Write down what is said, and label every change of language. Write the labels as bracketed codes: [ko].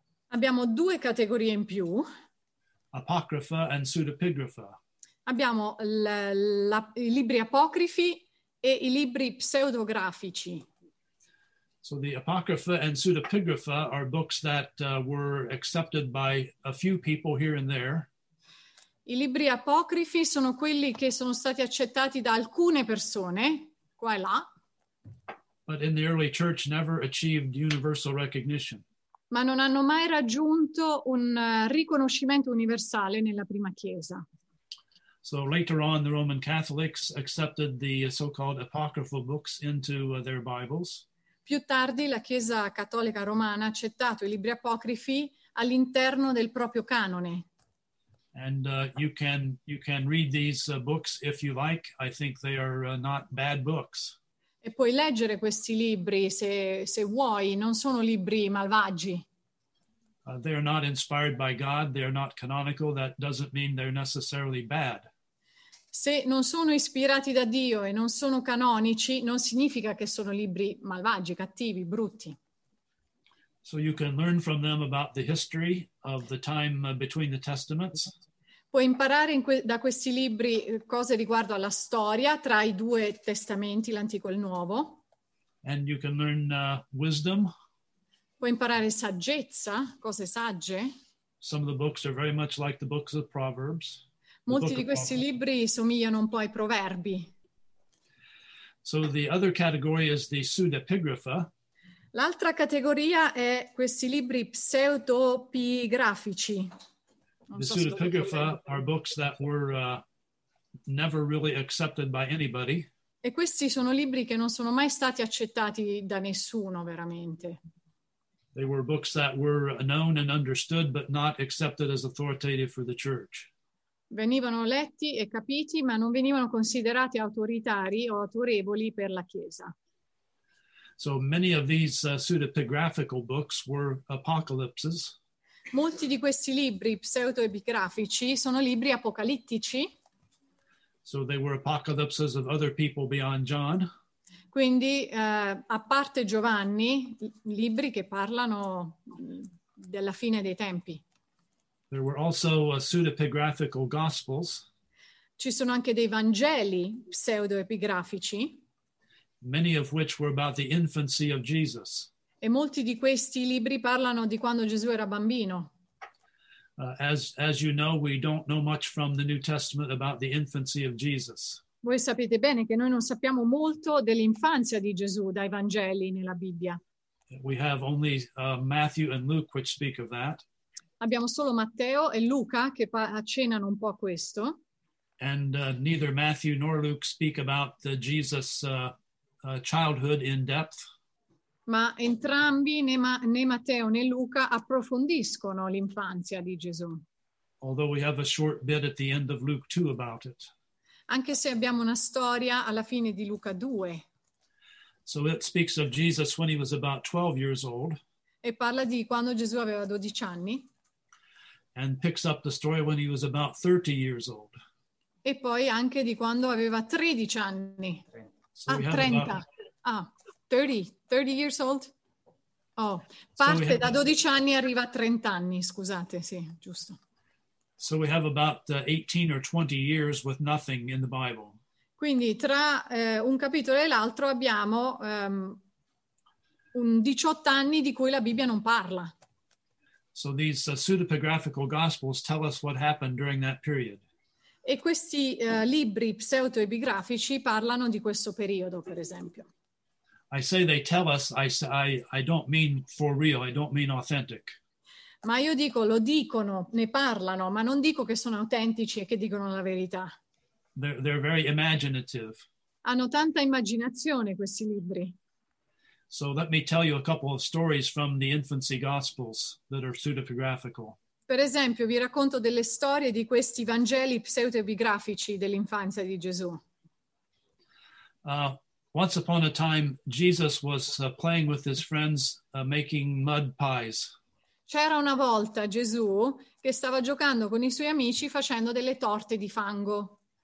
[it] Abbiamo due categorie in più. [en] Apocrypha and pseudepigrapha. [it] Abbiamo i libri apocrifi e i libri pseudografici. [en] So the Apocrypha and Pseudepigrapha are books that were accepted by a few people here and there. [it] I libri apocrifi sono quelli che sono stati accettati da alcune persone, qua e là. [en] But in the early church never achieved universal recognition. [it] Ma non hanno mai raggiunto un riconoscimento universale nella prima chiesa. [en] So later on, the Roman Catholics accepted the so-called apocryphal books into their Bibles. [it] Più tardi, la Chiesa Cattolica Romana ha accettato i libri apocrifi all'interno del proprio canone. [en] And you can read these books if you like. I think they are not bad books. [it] E puoi leggere questi libri se vuoi. Non sono libri malvagi. [en] They are not inspired by God. They are not canonical. That doesn't mean they're necessarily bad. [it] Se non sono ispirati da Dio e non sono canonici, non significa che sono libri malvagi, cattivi, brutti. [en] So you can learn from them about the history of the time between the testaments. [it] Puoi imparare da questi libri cose riguardo alla storia tra i due testamenti, l'antico e il nuovo. [en] And you can learn wisdom. [it] Puoi imparare saggezza, cose sagge. [en] Some of the books are very much like the books of Proverbs. [it] Molti di questi libri somigliano un po' ai proverbi. [en] So the other category is the pseudepigrapha. [it] L'altra categoria è questi libri pseudopigrafici. [en] The pseudepigrapha are books that were never really accepted by anybody. [it] E questi sono libri che non sono mai stati accettati da nessuno veramente. [en] They were books that were known and understood but not accepted as authoritative for the church. [it] Venivano letti e capiti, ma non venivano considerati autoritari o autorevoli per la Chiesa. [en] So many of these pseudepigraphical books were apocalypses. [it] Molti di questi libri pseudepigrafici sono libri apocalittici. [en] So they were apocalypses of other people beyond John. [it] Quindi, a parte Giovanni, libri che parlano della fine dei tempi. [en] There were also pseudepigraphical gospels. [it] Ci sono anche dei Vangeli pseudoepigrafici. [en] Many of which were about the infancy of Jesus. [it] E molti di questi libri parlano di quando Gesù era bambino. [en] As you know, we don't know much from the New Testament about the infancy of Jesus. [it] Voi sapete bene che noi non sappiamo molto dell'infanzia di Gesù dai Vangeli nella Bibbia. [en] We have only Matthew and Luke which speak of that. [it] Abbiamo solo Matteo e Luca che accennano un po' a questo. [en] And neither Matthew nor Luke speak about Jesus' childhood in depth. [it] Ma entrambi, né Matteo né Luca, approfondiscono l'infanzia di Gesù. [en] Although we have a short bit at the end of Luke 2 about it. [it] Anche se abbiamo una storia alla fine di Luca 2. [en] So it speaks of Jesus when he was about 12 years old. [it] E parla di quando Gesù aveva 12 anni. [en] And picks up the story when he was about 30 years old. [it] E poi anche di quando aveva 13 anni. [en] So ah, 30. About... Ah, 30. 30 years old? [it] Oh, parte so da 12 anni e arriva a 30 anni, scusate, sì, giusto. [en] So we have about 18 or 20 years with nothing in the Bible. [it] Quindi tra un capitolo e l'altro abbiamo un 18 anni di cui la Bibbia non parla. [en] So these pseudepigraphical gospels tell us what happened during that period. [it] E questi libri pseudoepigrafici parlano di questo periodo, per esempio. [en] I say they tell us, I don't mean for real, I don't mean authentic. [it] Ma io dico, lo dicono, ne parlano, ma non dico che sono autentici e che dicono la verità. [en] They're very imaginative. [it] Hanno tanta immaginazione questi libri. [en] So let me tell you a couple of stories from the infancy gospels that are pseudepigraphical. [it] Per esempio, vi racconto delle storie di questi Vangeli pseudepigrafici dell'infanzia di Gesù. [en] Once upon a time, Jesus was playing with his friends making mud pies. [it] C'era una volta Gesù che stava giocando con i suoi amici facendo delle torte di fango.